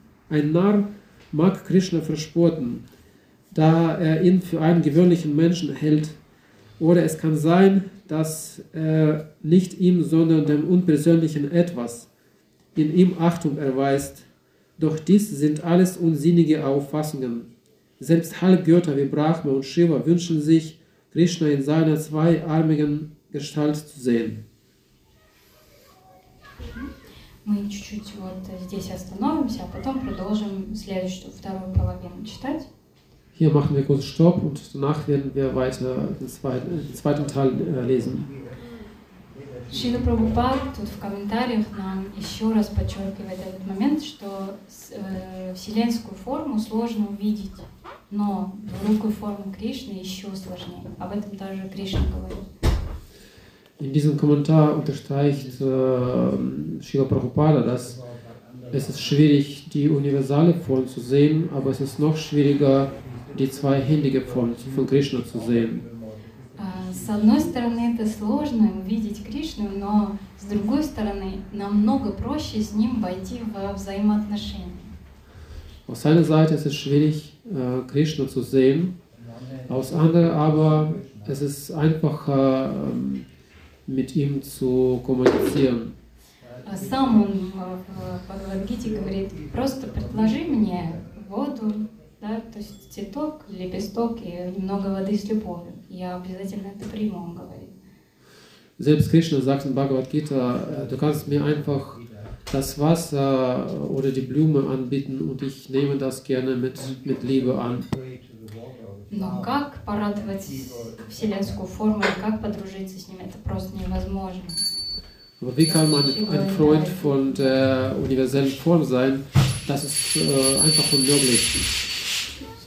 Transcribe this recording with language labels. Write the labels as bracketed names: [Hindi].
[German] Ein Narr mag Krishna verspotten, da er ihn für einen gewöhnlichen Menschen hält, oder es kann sein, dass er nicht ihm, sondern dem unpersönlichen Etwas in ihm Achtung erweist. Doch dies sind alles unsinnige Auffassungen. Selbst Halbgötter wie Brahma und Shiva wünschen sich, Krishna in seiner zweiarmigen Gestalt zu sehen. [Russian] Мы чуть-чуть вот здесь остановимся, а потом продолжим следующую, вторую половину читать. [German] Hier machen wir kurz Stopp und danach werden wir weiter den zweiten Teil lesen. [Russian] Шрила Прабхупада тут в комментариях нам еще раз подчеркивает этот момент, что вселенскую форму сложно увидеть, но двурукую форму Кришны еще сложнее. Об этом даже Кришна говорит. [German] In diesem Kommentar unterstreicht Srila Prabhupada, dass es ist schwierig, die universale Form zu sehen, aber es ist noch schwieriger, die zweihändige Form von Krishna zu sehen. [Russian] С одной стороны, это сложно увидеть Кришну, но с другой стороны, намного проще с ним войти в взаимоотношения. [German] Auf einer Seite ist es schwierig, Krishna zu sehen, auf der anderen aber es ist einfacher, mit ihm zu kommunizieren. [Russian] Сам он в Гите говорит, просто предложи мне воду, да, то есть цветок, лепесток и немного воды с любовью. Я обязательно это приму, он говорит. [German] Selbst Krishna sagt in Bhagavad Gita, du kannst mir einfach das Wasser oder die Blume anbieten und ich nehme das gerne mit Liebe an. [Russian] Но как порадовать вселенскую форму и как подружиться с ним, это просто невозможно. [German] Aber wie kann man ein Freund von der universellen Form sein? Das ist einfach unmöglich.